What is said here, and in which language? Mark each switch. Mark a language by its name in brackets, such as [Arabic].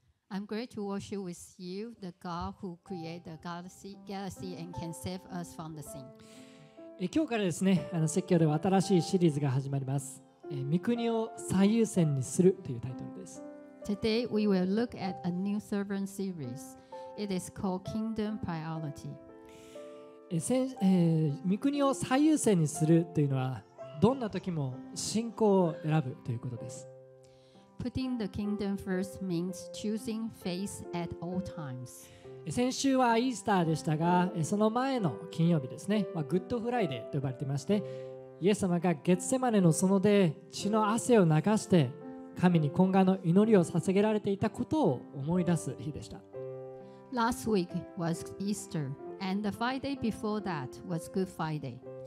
[English] I'm great to worship with you, the God who created the galaxy and can save us from the sin. [Japanese] 今日からですね、説教では新しいシリーズが始まります。御国を最優先にするというタイトルです。 [English] Today we will look at a new sermon series. It is called Kingdom Priority. [Japanese] 御国を最優先にするというのは、どんな時も信仰を選ぶということです。 [English] Putting the kingdom first means choosing faith at all times. [Japanese] 先週はイースターでしたが、その前の金曜日ですね、グッドフライデーと呼ばれていまして、イエス様がゲッセマネの園で血の汗を流して神に懇願の祈りを捧げられていたことを思い出す日でした。 [English] Last week was Easter, and the Friday before that was Good Friday.